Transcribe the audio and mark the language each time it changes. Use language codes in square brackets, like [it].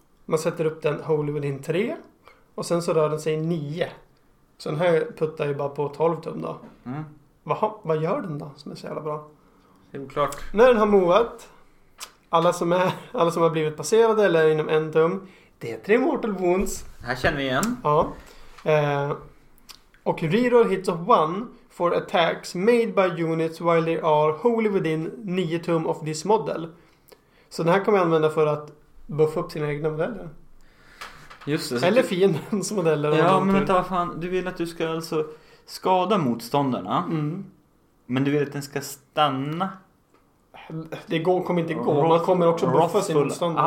[sv] Man sätter upp den Holy Within 3. Och sen så rör den sig 9. Så den här puttar ju bara på 12 tum då. Mm. Vad gör den då, som är så jävla bra? Det är klart. När den har movat, alla som har blivit passerade eller är inom en tum, det är 3 mortal wounds. Det här känner vi igen. Ja. [en] Och reroll hits of 1 for attacks made by units while they are wholly within 9 tum of this model. [sv] Så den här kan man använda för att buffa upp sina egna modeller. Just det. Eller fiendens modeller. Ja, men vänta, vad fan. Du vill att du ska alltså skada motståndarna. Mm. Men du vill att den ska stanna. Det kommer inte gå. Man kommer också buffa sin motståndare.